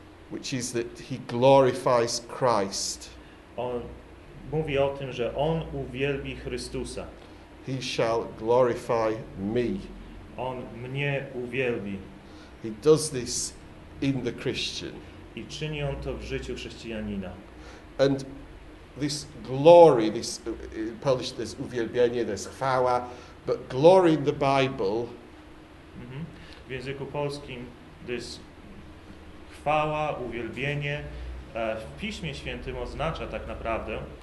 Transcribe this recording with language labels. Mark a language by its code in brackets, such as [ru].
[en] Which is that he glorifies Christ. [pl] On mówi o tym, że on uwielbi Chrystusa. [en] He shall glorify me. [pl] On mnie uwielbi. [en] He does this in the Christian. [pl] I czyni on to w życiu chrześcijanina. [en] And this glory, this in Polish there's uwielbienie, there's chwała, but glory in the Bible. [pl] W języku polskim this chwała, uwielbienie w Piśmie Świętym oznacza tak naprawdę